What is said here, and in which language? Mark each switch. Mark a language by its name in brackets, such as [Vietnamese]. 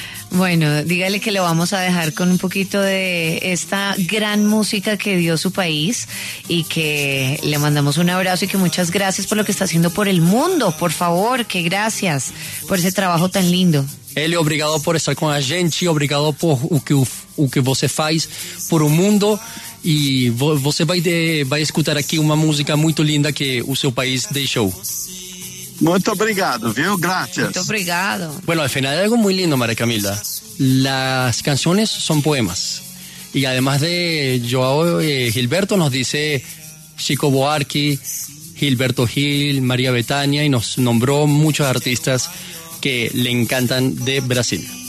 [Spanish] Bueno, dígale que lo vamos a dejar con un poquito de esta gran música que dio su país y que le mandamos un abrazo y que muchas gracias por lo que está haciendo por el mundo, por favor, que gracias por ese trabajo tan lindo. [Portuguese] Hélio, obrigado por estar con a gente, obrigado por o que você faz por o mundo e você vai escutar aqui uma música muito linda que o seu país deixou. Muito obrigado, viu? [Spanish] Gracias. [Portuguese] Muito obrigado. [Spanish] Bueno, al final hay algo muy lindo, María Camila. Las canciones son poemas. Y además de João Gilberto, nos dice Chico Buarque, Gilberto Gil, María Bethânia, y nos nombró muchos artistas que le encantan de Brasil.